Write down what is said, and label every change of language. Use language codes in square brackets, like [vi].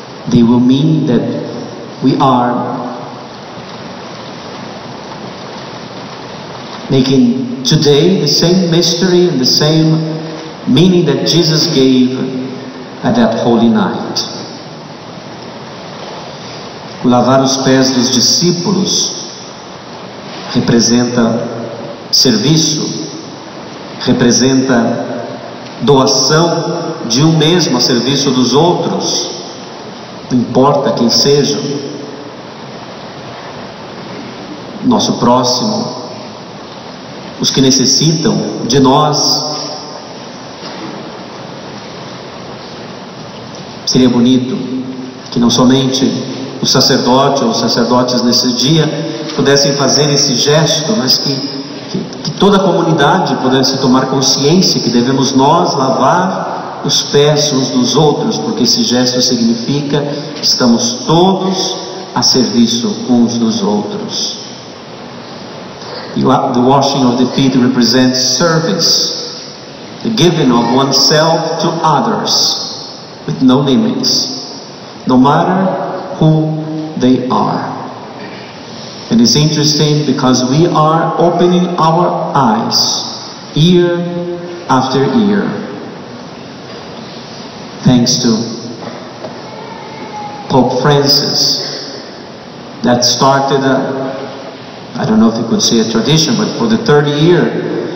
[en] They will mean that we are making today the same mystery and the same meaning that Jesus gave at that holy night. [pt] Lavar os pés dos discípulos representa serviço, representa doação de um mesmo a serviço dos outros, não importa quem seja, nosso próximo, os que necessitam de nós. Seria bonito que não somente o sacerdote ou os sacerdotes nesse dia pudessem fazer esse gesto, mas que toda a comunidade pudesse tomar consciência que devemos nós lavar os pés uns dos outros, porque esse gesto significa que estamos todos a serviço uns dos outros. [en] The washing of the feet represents service, the giving of oneself to others with no limits, no matter who they are. And it's interesting because we are opening our eyes year after year, thanks to Pope Francis, that started a, I don't know if you could say a tradition, but for the third year,